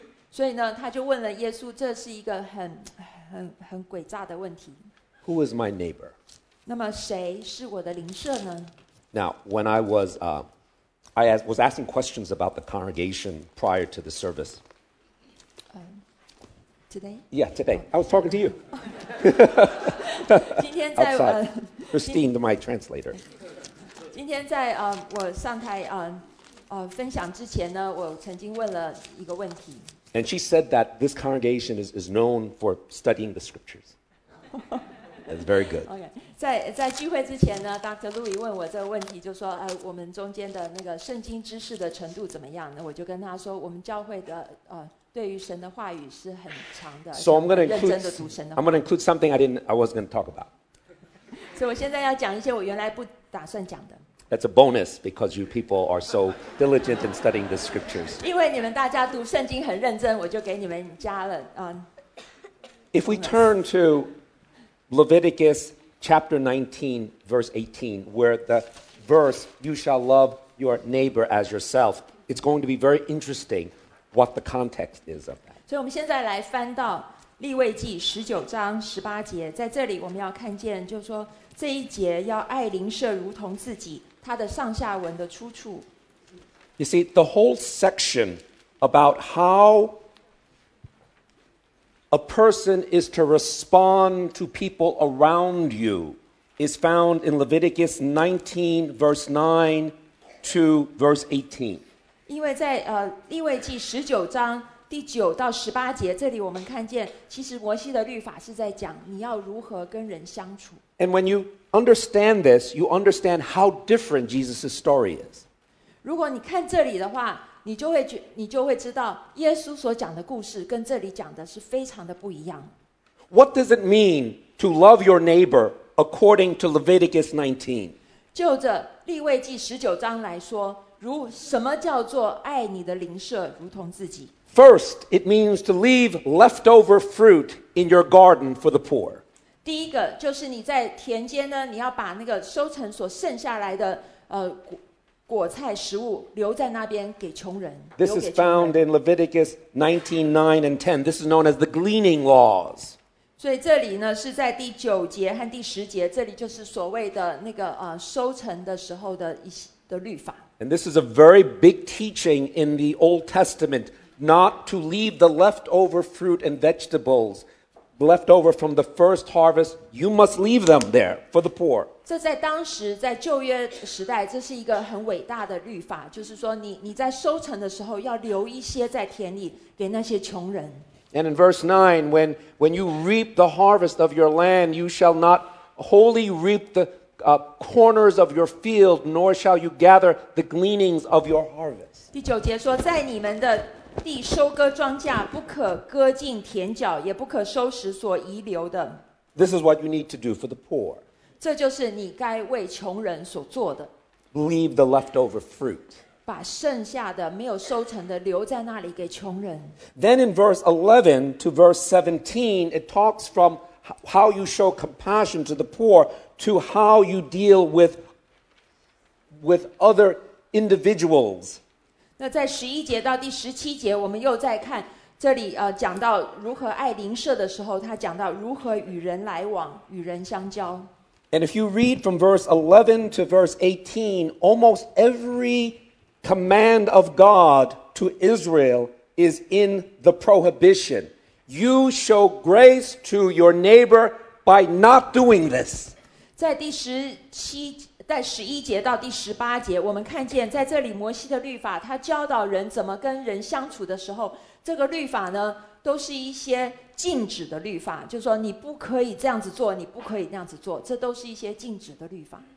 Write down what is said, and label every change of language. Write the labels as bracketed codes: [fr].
[zh] 所以呢，他就问了耶稣，这是一个很诡诈的问题。 [en] Who is my neighbor? [zh] 那么谁是我的邻舍呢？ [en] Now, when I was, I was asking questions about the congregation prior to the service. Today? Yeah, today. I was talking to you. [zh] 今天在 [en] Outside, Christine, my translator. [zh] 今天在我上台分享之前呢，我曾经问了一个问题。 [en] And she said that this congregation is known for studying the scriptures. That's very good. [zh] Okay. 在聚会之前呢 ，Dr. Louis 问我这个问题，就说我们中间的那个圣经知识的程度怎么样呢？我就跟他说，我们教会的对于神的话语是很强的。 [en] So I'm going to include. I'm going to include something I was going to talk about. [zh] 所以我现在要讲一些我原来不打算讲的。 [en] That's a bonus because you people are so diligent in studying the scriptures. [zh] 因为你们大家读圣经很认真，我就给你们加了。 [en] If we turn to Leviticus chapter 19, verse 18, where the verse "You shall love your neighbor as yourself," it's going to be very interesting what the context is of that. [zh] 所以我们现在来翻到利未记十九章十八节，在这里我们要看见，就是说。这一节要爱邻舍如同自己，它的上下文的出处。 [en] You see, the whole section about how a person is to respond to people around you is found in Leviticus 19, verse 9 to verse 18. [zh] 因为在利未记十九章第九到十八节，这里我们看见，其实摩西的律法是在讲你要如何跟人相处。 [en] And when you understand this, you understand how different Jesus' story is. [zh] 如果你看这里的话，你就会知道耶稣所讲的故事跟这里讲的是非常的不一样。 [en] What does it mean to love your neighbor according to Leviticus 19? [zh] 就着利未记十九章来说，什么叫做爱你的邻舍如同自己？ [en] First, it means to leave leftover fruit in your garden for the poor. [zh] 第一个就是你在田间呢，你要把那个收成所剩下来的果菜食物留在那边给穷人。 [en] This is found in Leviticus 19:9 and 10. This is known as the gleaning laws. [zh] 所以这里呢是在第九节和第十节，这里就是所谓的那个收成的时候的律法。 [en] And this is a very big teaching in the Old Testament, not to leave the leftover fruit and vegetables. Left over from the first harvest, you must leave them there for the poor. [zh] 这在当时在旧约时代，这是一个很伟大的律法，就是说你在收成的时候要留一些在田里给那些穷人。 [en] And in verse 9, when you reap the harvest of your land, you shall not wholly reap corners of your field, nor shall you gather the gleanings of your harvest. [zh] 第九节说，在你们的地收割庄稼，不可割尽田角，也不可收拾所遗留的。 [en] This is what you need to do for the poor. [zh] 这就是你该为穷人所做的。 [en] Leave the leftover fruit. [zh] 把剩下的没有收成的留在那里给穷人。 [en] Then in verse 11 to verse 17, it talks from how you show compassion to the poor to how you deal with other individuals. [zh] 那在十一节到第十七节，我们又再看这里讲到如何爱邻舍的时候，他讲到如何与人来往，与人相交。 [en] And if you read from verse 11 to verse 18, almost every command of God to Israel is in the prohibition. You show grace to your neighbor by not doing this. [zh] 在第十七在十一节到第十八节，我们看见在这里摩西的律法，他教导人怎么跟人相处的时候，这个律法呢，都是一些禁止的律法，就是说你不可以这样子做，你不可以那样子做，这都是一些禁止的律法。